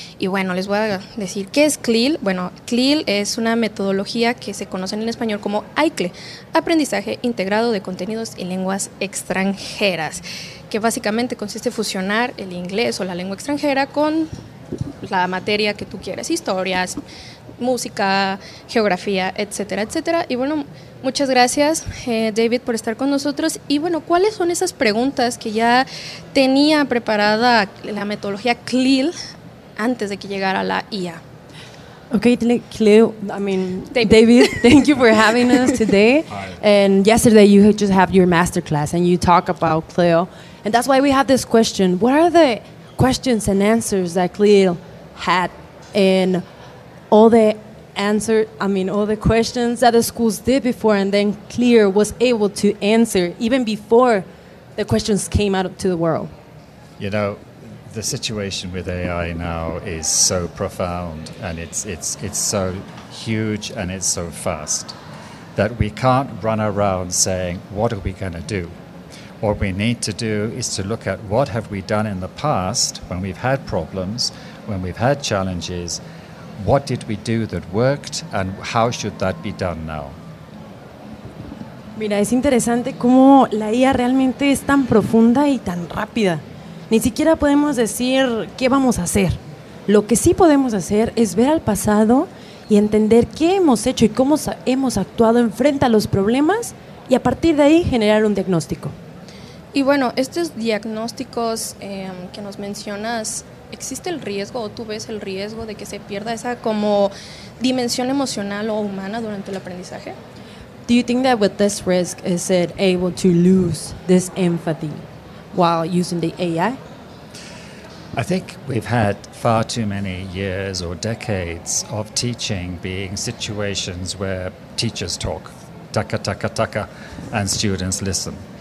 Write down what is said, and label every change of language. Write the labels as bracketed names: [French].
[Spanish] Y bueno, les voy a decir, ¿qué es CLIL? Bueno, CLIL es una metodología que se conoce en español como AICLE, Aprendizaje Integrado de Contenidos en Lenguas Extranjeras, que básicamente consiste en fusionar el inglés o la lengua extranjera con la materia que tú quieres, historias, música, geografía, etcétera, etcétera. Y bueno, muchas gracias, David, por estar con nosotros. Y bueno, ¿cuáles son esas preguntas que ya tenía preparada la metodología CLIL antes de que llegara la IA. [English] Okay, David, thank you for having us today. And yesterday you just have your masterclass and you talk about Cleo. And that's why we have this question. What are the questions and answers that Cleo had in all the answer, all the questions that the schools did before, and then Clear was able to answer even before the questions came out to the world? You know, the situation with AI now is so profound, and it's so huge, and it's so fast that we can't run around saying, what are we going to do? What we need to do is to look at what have we done in the past when we've had problems, when we've had challenges. What did we do that worked, and how should that be done now? [Spanish] Mira, es interesante cómo la IA realmente es tan profunda y tan rápida. Ni siquiera podemos decir qué vamos a hacer. Lo que sí podemos hacer es ver al pasado y entender qué hemos hecho y cómo hemos actuado en frente a los problemas, y a partir de ahí generar un diagnóstico. Y bueno, estos diagnósticos que nos mencionas, ¿existe el riesgo o tú ves el riesgo de que se pierda esa como dimensión emocional o humana durante el aprendizaje? [English] Do you think that with this risk, is it able to lose this empathy while using the AI? I think we've had far too many years or decades of teaching being situations where teachers talk, taka, taka, taka, and students listen.